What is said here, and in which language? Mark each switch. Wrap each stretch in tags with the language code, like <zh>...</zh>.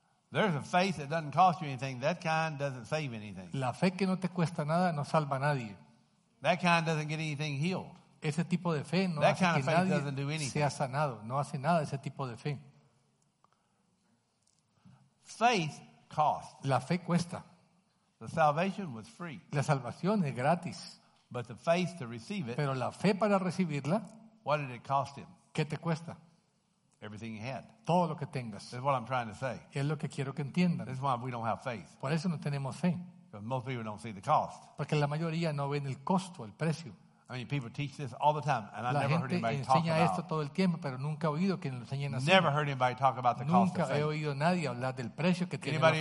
<en>There's a faith that doesn't cost you anything. That kind doesn't save anything.</en> <es>La fe que no te cuesta nada no salva a nadie.</es> <en>That kind doesn't get anything healed.</en> <es>Ese tipo de fe no</es> <en>that</en> <es>hace</es> <en>kind</en> <es>que nadie sea sanado. No hace nada ese tipo de fe.</es> <en>Faith costs.</en> <es>La fe cuesta.</es> <en>The salvation was free.</en> <es>La salvación es gratis.</es> <en>But the faith to receive it.</en> <es>Pero la fe para recibirla.</es> <en>What did it cost him?</en> <es>¿Qué te cuesta?</es> <en>Everything he had.</en> <es>Todo lo que tengas.</es> <en>That's what I'm trying to say.</en> <es>Es lo que quiero que entiendan.</es> <en>That's why we don't have faith.</en> <es>Por eso no tenemos fe.</es> <en>Because most people don't see the cost.</en> <es>Porque la mayoría no ven el costo, el precio.</es> <en>I mean, people teach this all the time, and I've never heard anybody talk about.</en> <es>La gente enseña esto todo el tiempo, pero nunca he oído que lo enseñen así.</es> <en>Never heard anybody talk about the cost.</en> <es>Nunca he oído nadie hablar del precio que tiene la fe.</es>